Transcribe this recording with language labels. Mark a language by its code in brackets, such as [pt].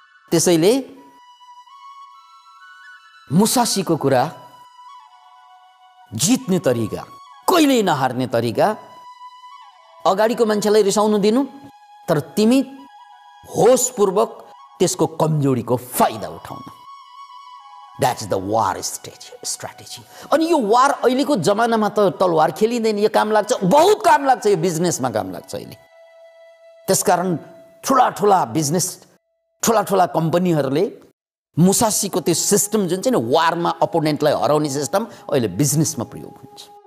[ne] त्यसैले मुसासीको कुरा, जित्ने तरिका, कहिल्यै नहार्ने तरिका, अगाडिको मान्छेलाई रिसाउनु दिनु, तर तिमी होसपूर्वक त्यसको कमजोरीको फाइदा उठाउनु। [en] That's the war strategy. [ne] अनि यो वार अहिलेको जमानामा त तलवार खेलिँदैन, यो काम लाग्छ, बहुत काम लाग्छ, यो बिजनेसमा काम लाग्छ अहिले। त्यसकारण ठुला ठुला बिजनेस, ठुला ठुला कम्पनीहरूले मुसासीको त्यो सिस्टम जुन चाहिँ नि, वारमा अपोनेन्टलाई हराउने सिस्टम, अहिले बिजनेसमा प्रयोग हुन्छ।